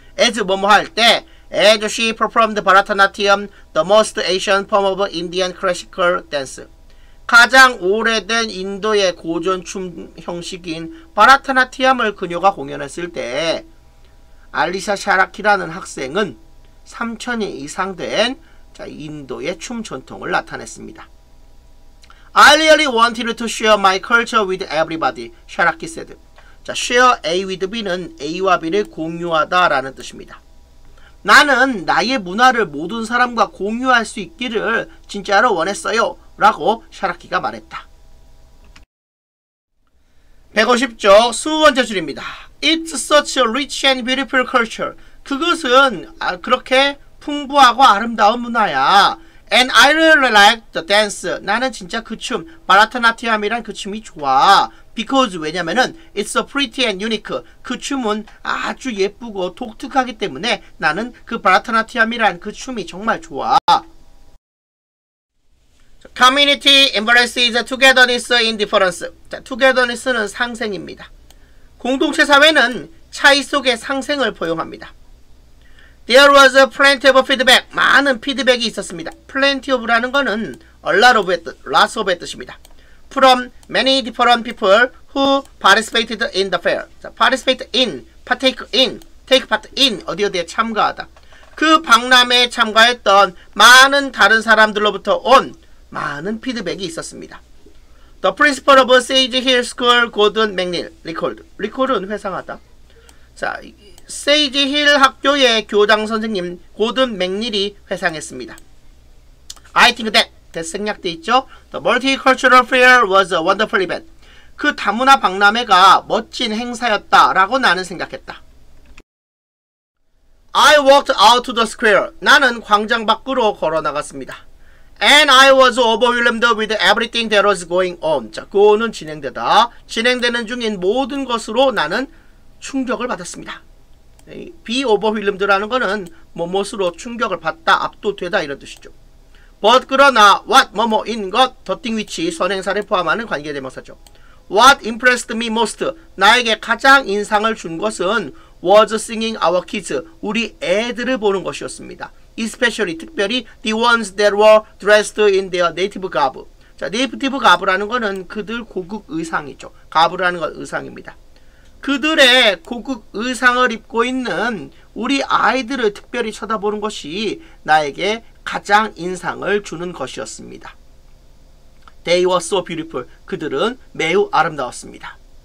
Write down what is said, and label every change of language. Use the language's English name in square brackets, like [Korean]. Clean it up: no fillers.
[English] As [Korean] 뭐뭐 할 때, [English] As she performed Bharatanatyam, the most ancient form of Indian classical dance. [Korean] 가장 오래된 인도의 고전 춤 형식인 바라타나티암을 그녀가 공연했을 때 알리샤 샤라키라는 학생은 3000년 이상 된 인도의 춤 전통을 나타냈습니다. [English] I really wanted to share my culture with everybody, Sharaki said. [Korean] 자, [English] share A with B [Korean] 는 A와 B를 공유하다 라는 뜻입니다. 나는 나의 문화를 모든 사람과 공유할 수 있기를 진짜로 원했어요. 라고 샤라키가 말했다. 150쪽 20번째 줄입니다. [English] It's such a rich and beautiful culture. [Korean] 그것은 그렇게 풍부하고 아름다운 문화야. [English] And I really like the dance. [Korean] 나는 진짜 그 춤, 바라타나티암이란 그 춤이 좋아. [English] Because [Korean] 왜냐면은 [English] It's so pretty and unique. [Korean] 그 춤은 아주 예쁘고 독특하기 때문에 나는 그 바라타나티암이란 그 춤이 정말 좋아. [English] Community embraces togetherness in difference. [Korean] 자, togetherness는 상생입니다. 공동체 사회는 차이 속의 상생을 포용합니다. [English] There was plenty of feedback. [Korean] 많은 피드백이 있었습니다. Plenty of라는 것은 [English] a lot of [Korean] 의 뜻, [English] lots of [Korean] 의 뜻입니다. [English] From many different people who participated in the fair. 자, participate in, partake in, take part in, [Korean] 어디 어디에 참가하다. 그 박람회에 참가했던 많은 다른 사람들로부터 온 많은 피드백이 있었습니다. [English] The principal of Sage Hill School, Gordon McNeil, recalled. [Korean] Recall은 회상하다. 자, Sage Hill 학교의 교장 선생님, Gordon McNeil이 회상했습니다. [English] I think that [Korean] 생략돼 있죠? [English] The Multicultural Fair was a wonderful event. [Korean] 그 다문화 박람회가 멋진 행사였다라고 나는 생각했다. [English] I walked out to the square. [Korean] 나는 광장 밖으로 걸어 나갔습니다. [English] And I was overwhelmed with everything that was going on. [Korean] 자, go는 진행되다. 진행되는 중인 모든 것으로 나는 충격을 받았습니다. [English] Be overwhelmed [Korean] 라는 거는 뭐뭐로 충격을 받다, 압도되다 이런 뜻이죠. But 그러나 what 뭐뭐 in 것, the thing which 선행사를 포함하는 관계대명사죠. [English] What impressed me most, [Korean] 나에게 가장 인상을 준 것은 [English] was seeing our kids, [Korean] 우리 애들을 보는 것이었습니다. [English] Especially, [Korean] 특별히 [English] the ones that were dressed in their native garb. [Korean] 자, native garb라는 것은 그들 고급 의상이죠. garb라는 건 의상입니다. 그들의 고급 의상을 입고 있는 우리 아이들을 특별히 쳐다보는 것이 나에게 가장 인상을 주는 것이었습니다. [English] They were so beautiful. [Korean] 그들은 매우 아름다웠습니다.